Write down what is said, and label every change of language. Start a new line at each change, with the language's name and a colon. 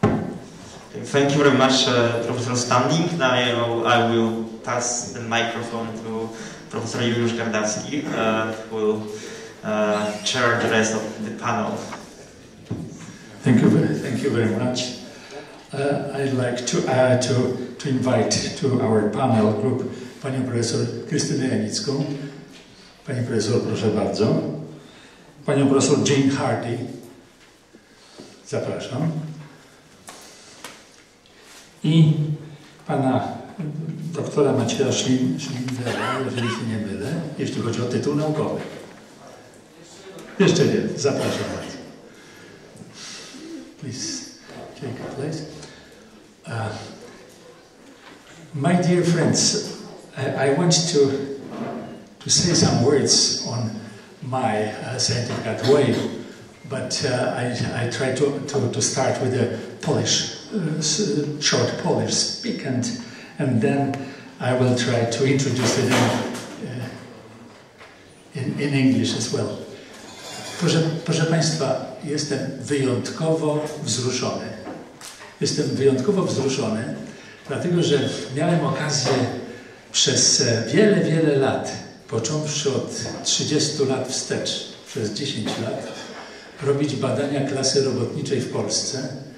English: Thank you very much, Professor Standing. Now I will pass the microphone to Professor Juliusz Gardawski, will chair the rest of the panel. Thank you very much. I'd like to invite to our panel group
Polish: Panią Profesor Krystynę Janicką. Pani Profesor, proszę bardzo. panią profesor Jane Hardy. Zapraszam. I pana doktora Macieja Szlindera, jeżeli się nie mylę, jeśli chodzi o tytuł naukowy. Jeszcze nie, zapraszam bardzo.
English: Please take a place. My dear friends, I want to say some words on my scientific way, but I try to start with a Polish, short Polish speak, and then I will try to introduce it in English as well.
Polish: Proszę Państwa, jestem wyjątkowo wzruszony. Jestem wyjątkowo wzruszony, dlatego że miałem okazję przez wiele, wiele lat, począwszy od 30 lat wstecz, przez 10 lat, robić badania klasy robotniczej w Polsce.